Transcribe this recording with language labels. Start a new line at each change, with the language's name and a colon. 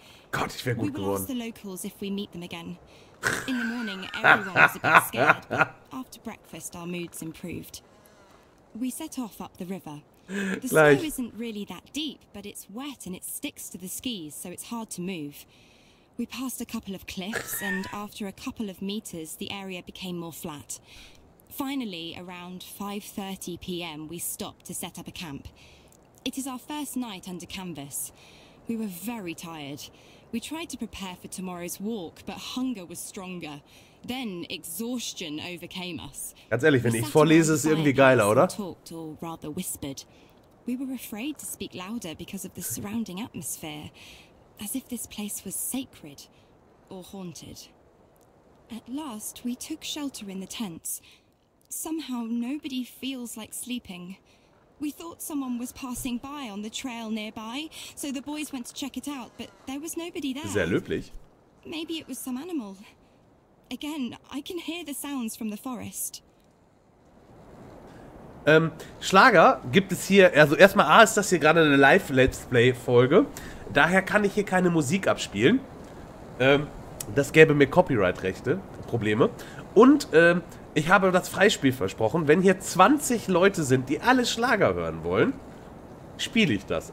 German: Gott, ich wäre gut geworden.
English: In the morning, after breakfast, our moods improved. We set off up the river. The snow isn't really that deep, but it's wet and it sticks to the skis, so it's hard to move. We passed a couple of cliffs, and after a couple of meters, the area became more flat. Finally, around 5:30 p.m., we stopped to set up a camp. It is our first night under canvas. We were very tired. We tried to prepare for tomorrow's walk, but hunger was stronger. Then exhaustion overcame us.
German: Ganz ehrlich, wenn ich vorlese, ist irgendwie geiler, oder?
English: Talked or rather whispered. We were afraid to speak louder because of the surrounding atmosphere, as if this place was sacred or haunted. At last, we took shelter in the tents. Somehow nobody feels like sleeping. We thought someone was passing by on the trail nearby, so the boys went to check it out, but there was nobody there.
German: Sehr löblich.
English: Maybe it was some animal. Again, I can hear the sounds from the forest.
German: Schlager gibt es hier, also erstmal A, ist das hier gerade eine Live-Let's-Play-Folge, daher kann ich hier keine Musik abspielen. Das gäbe mir Copyright-Rechte, Probleme. Und, ich habe das Freispiel versprochen. Wenn hier 20 Leute sind, die alle Schlager hören wollen, spiele ich das.